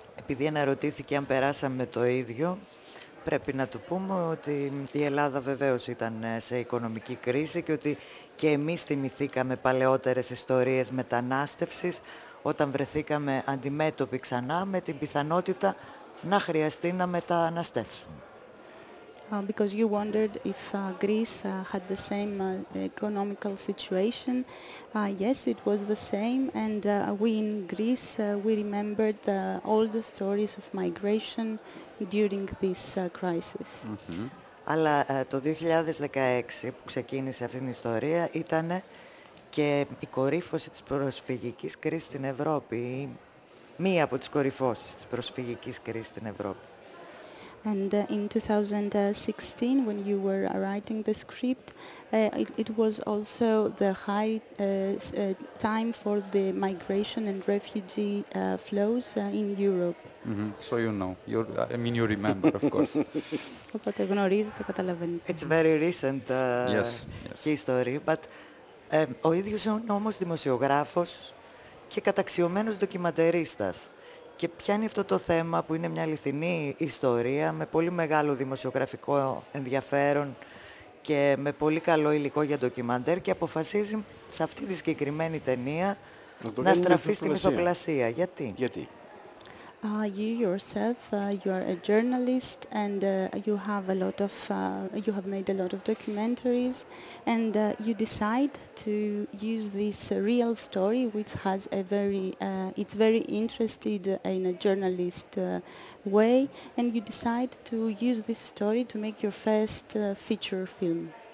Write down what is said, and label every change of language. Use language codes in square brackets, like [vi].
[el] Επειδή αναρωτήθηκε αν περάσαμε το ίδιο, πρέπει να του πούμε ότι η Ελλάδα βεβαίως ήταν σε οικονομική κρίση και ότι και εμείς θυμηθήκαμε παλαιότερες ιστορίες μετανάστευσης, όταν βρεθήκαμε αντιμέτωποι ξανά με την πιθανότητα να χρειαστεί να μεταναστεύσουμε. [en] Because you wondered if Greece had the same economical situation. Yes, it was the same. And we in Greece, we remembered all the stories of migration during this crisis. [el] Αλλά το 2016 που ξεκίνησε αυτήν την ιστορία ήταν και η κορύφωση της προσφυγικής κρίσης στην Ευρώπη, μία από τις κορυφώσεις της προσφυγικής κρίσης στην Ευρώπη. [en] And in 2016, when you were writing the script, it was also the high time for the migration and refugee flows in Europe. Mm-hmm. So you know. You're, I mean, you remember, of course. [el] Οπότε γνωρίζετε, καταλαβαίνετε. [en] It's very recent history, but [el] ο ίδιος είναι όμως δημοσιογράφος και καταξιωμένος ντοκιματερίστας. Και πιάνει αυτό το θέμα που είναι μια αληθινή ιστορία με πολύ μεγάλο δημοσιογραφικό ενδιαφέρον και με πολύ καλό υλικό για ντοκιμαντέρ και αποφασίζει σε αυτή τη συγκεκριμένη ταινία να στραφεί στη μυθοπλασία. Γιατί? Γιατί? [en] You yourself, you are a journalist, and you have a lot of, you have made a lot of documentaries, and you decide to use this real story, which has a very, it's very interested in a journalist way, and you decide to use this story to make your first feature film.